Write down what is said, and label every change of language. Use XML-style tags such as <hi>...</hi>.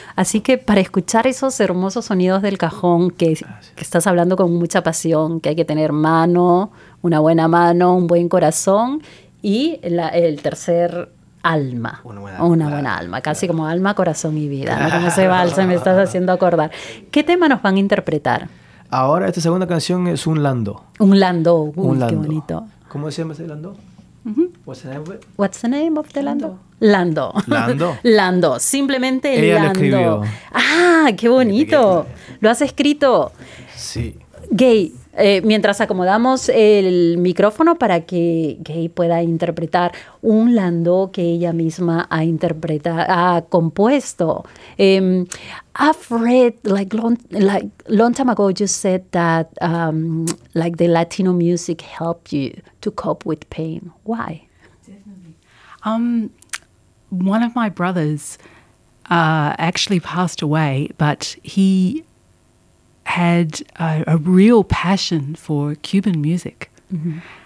<es>Así que para escuchar esos hermosos sonidos del cajón que estás hablando con mucha pasión, que hay que tener mano, una buena mano, un buen corazón y el tercer... alma, una buena alma, casi como alma, corazón y vida, ¿no? Como ese balse me estás haciendo acordar. ¿Qué tema nos van a interpretar? Ahora, esta segunda canción es un landó. Un landó. Uy, un landó. Qué bonito. ¿Cómo se llama ese landó? Uh-huh.</es> <en>What's the name of the landó?</en> <es>Landó. ¿Landó? Landó. Simplemente ella landó. Lo escribió. ¡Ah, qué bonito! ¿Lo has escrito? Sí. Gay, mientras acomodamos el micrófono para que Gay pueda interpretar un landó que ella misma ha interpretado, ha compuesto.</es> <en>I've read, long time ago, you said that the Latino music helped you to cope with pain. Why? One of my brothers actually passed away, but he had a real passion for Cuban music. Mm-hmm.</en>